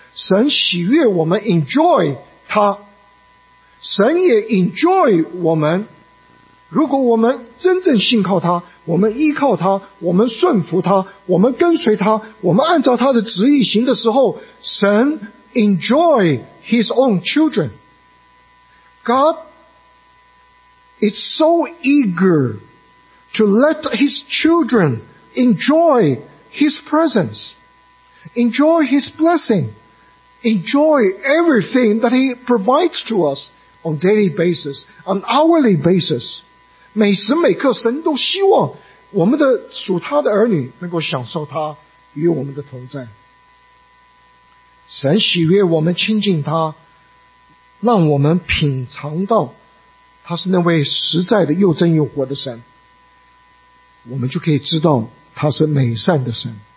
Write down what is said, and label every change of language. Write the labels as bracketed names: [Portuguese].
[Chinese] 神喜悦我们 enjoy 他，神也 enjoy 我们。如果我们真正信靠他，我们依靠他，我们顺服他，我们跟随他，我们按照他的旨意行的时候，神 [English] enjoy his own children。 God is so eager to let his children enjoy his presence, enjoy his blessing, enjoy everything that he provides to us on daily basis, on hourly basis。 [Chinese] 每时每刻神都希望我们的属他的儿女能够享受他与我们的同在。神喜悦我们亲近他，让我们品尝到他是那位实在的又真又活的神，我们就可以知道他是美善的神。